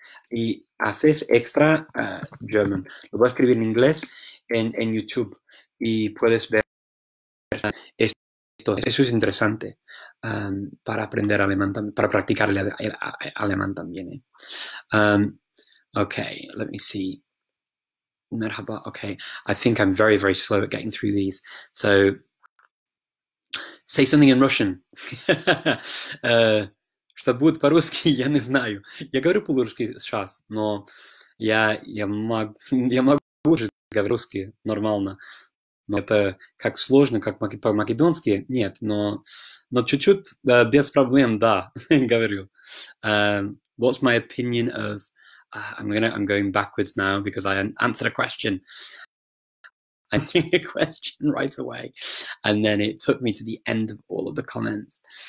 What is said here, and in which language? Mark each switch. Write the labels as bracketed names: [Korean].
[Spanish] Y haces extra German. Lo voy a escribir en inglés en YouTube y puedes ver esto. Eso es interesante para aprender alemán, para practicar el alemán también, ¿eh? [English] Ok, let me see. Merhaba. Ok, I think I'm very, very slow at getting through these. So. Say something in Russian. [Russian] Что будет по-русски, я не знаю. Я говорю по-русски сейчас, но я могу уже говорить русский нормально. Но это как сложно, как по-македонски? Нет, но чуть-чуть, да, без проблем, да, говорю. [English] What's my opinion of? I'm going backwards now because I answered a question. Answering a question right away, and then it took me to the end of all of the comments.